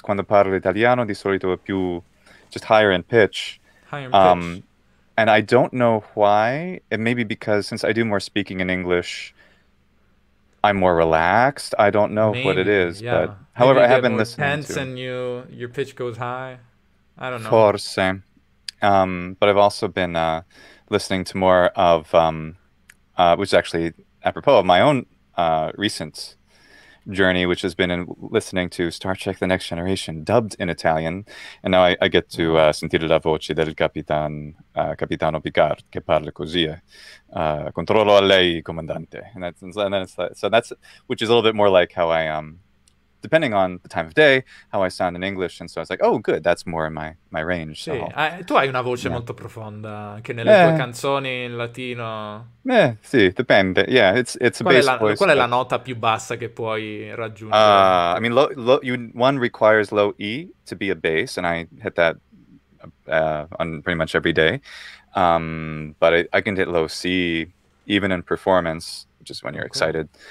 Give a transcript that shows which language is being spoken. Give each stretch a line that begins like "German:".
Italian: Quando parlo italiano, di solito è più,
English: just higher in pitch. And I don't know why. It may be because since I do more speaking in English, I'm more relaxed. I don't know what it is. Yeah. But however, maybe I have been listening to. And your pitch goes high. I don't know.
Italian: Forse.
English: But I've also been listening to more of, which is actually apropos of my own recent journey, which has been in listening to Star Trek The Next Generation, dubbed in Italian. And now I get to
Italian: sentire la voce del Capitano Picard, che parla così. Controllo a lei, comandante.
English: Which is a little bit more like how I, depending on the time of day, how I sound in English. And so I was like, oh, good, that's more in my range.
Italian: Sì.
English: So.
Italian: Tu hai una voce molto profonda, anche nelle tue canzoni in latino. Sì, dipende.
English: Yeah, it's a bass voice.
Italian: Qual è la nota più bassa che puoi raggiungere?
English: I mean, one requires low E to be a bass, and I hit that on pretty much every day. But I can hit low C, even in performance, which is when you're excited.